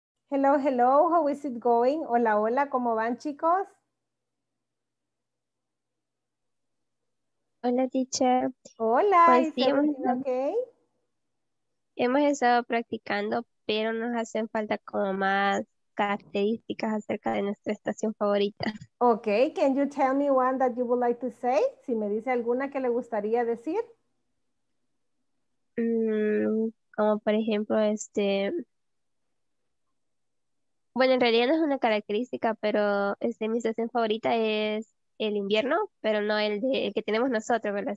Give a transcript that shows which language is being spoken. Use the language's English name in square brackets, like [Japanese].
[English] Hello, hello, how is it going? [Spanish] Hola, hola, ¿cómo van, chicos? Hola, teacher. Hola, ¿estás bien? Hemos estado practicando, pero nos hacen falta como más características acerca de nuestra estación favorita. [English] Ok, can you tell me one that you would like to say? [Spanish] Si me dice alguna que le gustaría decir. Como por ejemplo, bueno, en realidad no es una característica, pero mi estación favorita es el invierno, pero no el de el que tenemos nosotros, ¿verdad?